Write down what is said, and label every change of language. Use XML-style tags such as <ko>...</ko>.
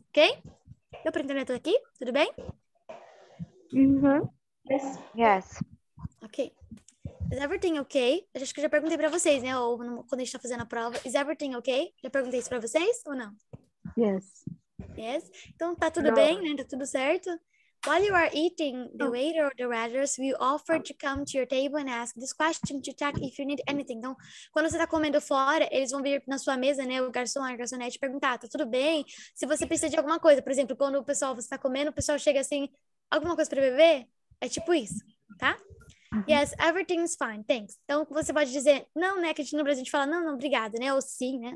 <pt>Ok? Deu pra entender tudo aqui? Tudo bem?</pt> <en>Yes. Ok. Is everything okay?</en> <pt>Eu acho que eu já perguntei pra vocês, né? Ou quando a gente tá fazendo a prova.</pt> <en>Is everything okay?</en> <pt>Já perguntei isso pra vocês ou não?</pt> <en>Yes.</en> <pt>Yes. Então tá tudo bem, né? Tá tudo certo.</pt> <en>While you are eating, the waiter or the waiters will offer to come to your table and ask this question to check if you need anything.</en> <pt>Então, quando você está comendo fora, eles vão vir na sua mesa, né? O garçom, a garçonete, perguntar, tá tudo bem? Se você precisa de alguma coisa, por exemplo, quando o pessoal, você está comendo, o pessoal chega assim, alguma coisa para beber? É tipo isso, tá?</pt> <en>Yes, everything is fine, thanks.</en> <pt>Então, você pode dizer, não, né? Que a gente no Brasil, a gente fala, não, não, obrigada, né? Ou sim, né?</pt>